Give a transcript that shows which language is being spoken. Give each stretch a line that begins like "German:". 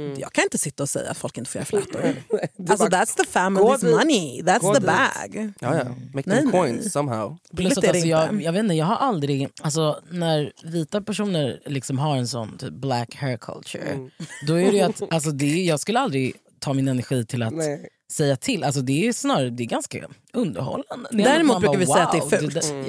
Swedish: Jag kan inte sitta och säga att folk inte får göra flätor.
English: Alltså, that's the family's money. That's the bag.
Swedish: Ja.
English: Make them coins somehow.
Swedish: Plus, alltså, jag vet inte, jag har aldrig... Alltså, när vita personer liksom har en sån typ
English: black hair culture,
Swedish: då är det ju att... Alltså, jag skulle aldrig ta min energi till att... Nej. Säga till, alltså det är snarare, det är ganska underhållande. Däremot bara, brukar vi säga att det är fult.